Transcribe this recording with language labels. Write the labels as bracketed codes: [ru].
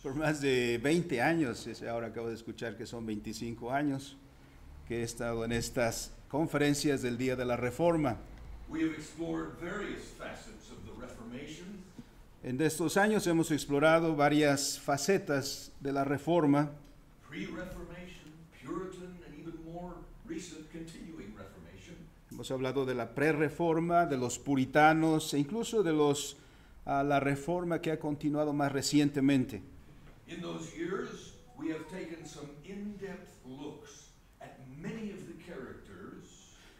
[es] Por más de 20 años, ahora acabo de escuchar que son 25 años que he estado en estas conferencias del Día de la Reforma. [en] We have explored various facets of the Reformation. [es] En estos años hemos explorado varias facetas de la Reforma. [en] Pre-Reformation, Puritan, and even more recent continuing Reformation. [es] Hemos hablado de la pre-Reforma, de los puritanos, e incluso de los la Reforma que ha continuado más recientemente. [en] In those years, we have taken some in-depth looks at many of the characters.